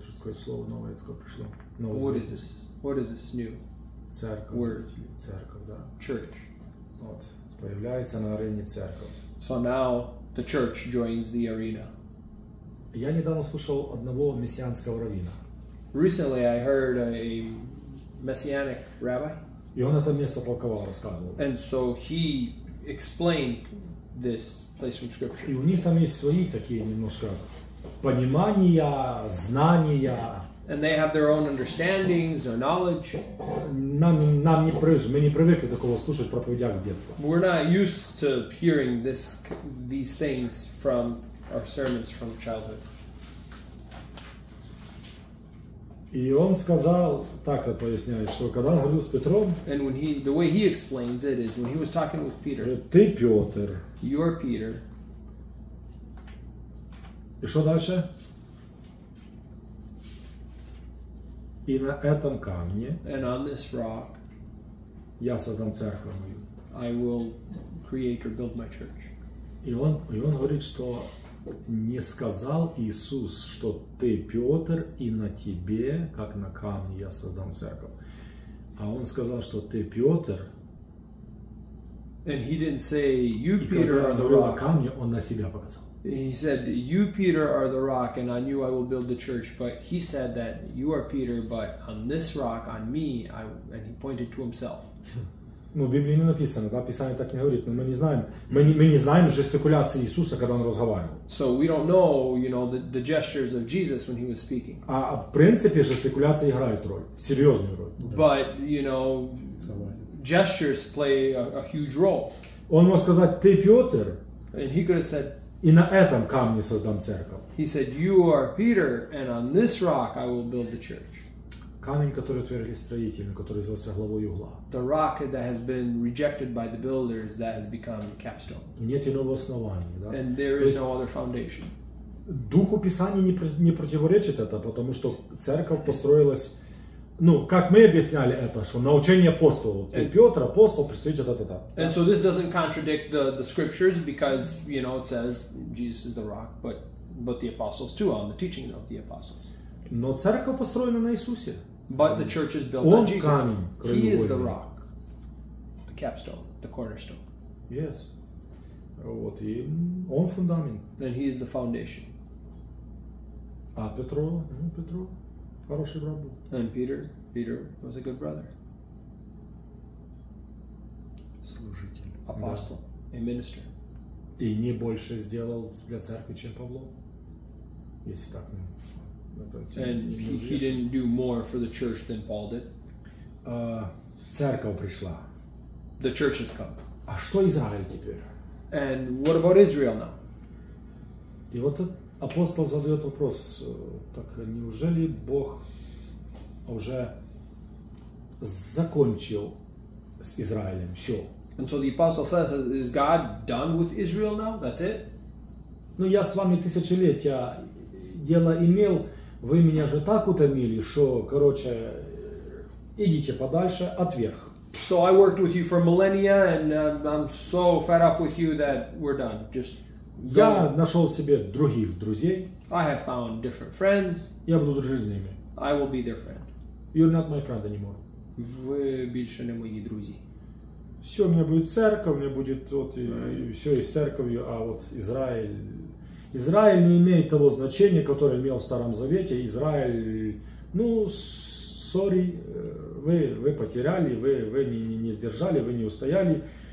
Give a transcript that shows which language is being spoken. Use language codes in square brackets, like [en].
[uk] Що таке слово нове, яке прийшло? [en] What is this? What is this new? [ru] Церковь. [en] Word. [ru] Церковь, да. [en] Church. [uk] От, появляється на арені церковь. [en] So now the church joins the arena. [ru] Я недавно слушал одного мессианского раввина. [en] Recently I heard a messianic rabbi. [ru] И он это место толковал, рассказывал. [en] And so he explained this place from scripture. [ru] И у них там есть свои такие немножко понимания, знания. [en] And they have their own understandings, their knowledge. [ru] Нам не привыкли, мы не привыкли такого слушать в проповедях с детства. [en] We're not used to hearing these things from our sermons from childhood. [ru] И он сказал, так я поясняю, что когда он говорил с Петром, [en] and when the way he explains it is when he was talking with Peter. [ru] Ты Петр. [en] You're Peter. [ru] И что дальше? И на этом камне [en] and on this rock, [ru] я создам церковь мою. [en] I will create or build my church. [ru] И он говорит, что не сказал Иисус, что ты Петр, и на тебе, как на камне, я создам церковь. А он сказал, что ты Петр. [en] And he didn't say, you, Peter, are the rock. [ru] Камне, он на себя показал. [en] He said, you, Peter, are the rock, and on you I will build the church. But he said that you are Peter, but on this rock, on me, and he pointed to himself. [ru] Ну, в Библии не написано, да, Писание так не говорит, но мы не знаем жестикуляции Иисуса, когда Он разговаривал. [en] So we don't know, you know, the gestures of Jesus when He was speaking. [ru] А в принципе жестикуляция играет роль, серьезную роль. Да. [en] But, you know, gestures play a huge role. [ru] Он мог сказать, ты Петр, [en] and he could have said, [ru] и на этом камне создам церковь. [en] He said, you are Peter, and on this rock I will build the church. [ru] Камень, который отвергли строителями, который взялся главой угла. [en] The rock that has been rejected by the builders that has become capstone. [ru] И нет иного основания, да? [en] And there is no other foundation. [ru] Духу Писания не противоречит это, потому что церковь построилась, ну, как мы объясняли это, что на учение апостолов. Ты Петр, апостол, представитель, та-та-та. [en] And so this doesn't contradict the scriptures because, you know, it says Jesus is the rock, but the apostles too, on the teaching of the apostles. [ru] Но церковь построена на Иисусе. [en] But the church is built on Jesus. [ru] Камень, краеугольник. [en] He is the rock, the capstone, the cornerstone. Yes. [ru] Вот и он фундамент. [en] And he is the foundation. [ru] А Петро? Ну, Петро. Хороший брат был. [en] And Peter? Peter was a good brother. [ru] Служитель. [en] Apostle. [ru] Да. [en] A minister. [ru] И не больше сделал для церкви, чем Павло. Если так, ну... [en] And he didn't do more for the church than Paul did. [ru] Церковь пришла. [en] The church has come. [ru] А что Израиль теперь? [en] And what about Israel now? [ru] И вот апостол задает вопрос, так неужели Бог уже закончил с Израилем все? [en] And so the apostle says, is God done with Israel now? That's it? [ru] Ну, я с вами тысячелетия дело имел. Вы меня же так утомили, что, короче, идите подальше, отверг. [en] So I worked with you for millennia, and I'm so fed up with you that we're done. Just go. [ru] Я нашел себе других друзей. [en] I have found different friends. [ru] Я буду дружить с ними. [en] I will be their friend. You're not my friend anymore. [ru] Вы больше не мои друзья. Все, у меня будет церковь, у меня будет вот и все из церкви, а вот Израиль... Израиль не имеет того значения, которое имел в Старом Завете. Израиль, ну, сори, вы потеряли, вы не сдержали, вы не устояли.